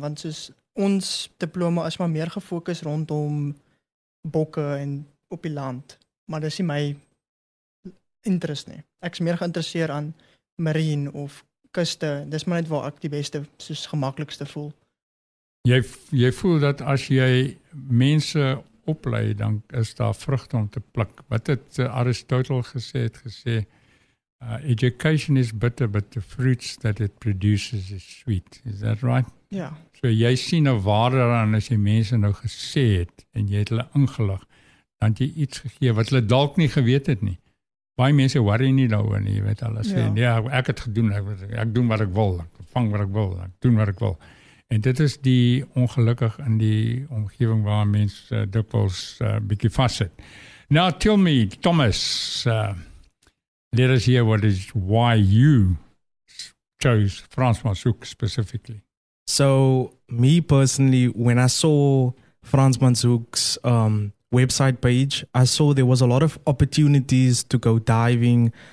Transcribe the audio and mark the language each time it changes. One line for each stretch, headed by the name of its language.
Afrikaans: Want soos ons diploma is maar meer gefokus rondom bokke en op die land. Maar dis nie my interest nie. Ek is meer geïnteresseerd aan marine of kuste. Dis maar net waar ek die beste, soos gemakkelijkste voel. Jy voel dat as jy mense oplei, dan is daar vrugte om te pluk. Wat het Aristotle gesê,
English: education is bitter, but the fruits that it produces is sweet. Is that right? Ja. Yeah.
Afrikaans: So jy sien 'n waarde aan as jy mense nou gesê het, en jy het hulle ingelig, dan het jy iets gegee wat hulle dalk nie geweet het nie. Baie mense worry nie daaroor nie, jy weet hulle sê, ek het gedoen, ek doen wat ek wil, ek vang wat ek wil, ek doen wat ek wil. En dit is die ongelukkig in die omgeving waar mens dikwels bietjie vaszit.
English: Now tell me, Thomas, let us hear what is why you chose Frans Manzoek specifically. So me personally, when I saw Frans Manzoek's website page, I saw there was a lot of opportunities to go diving.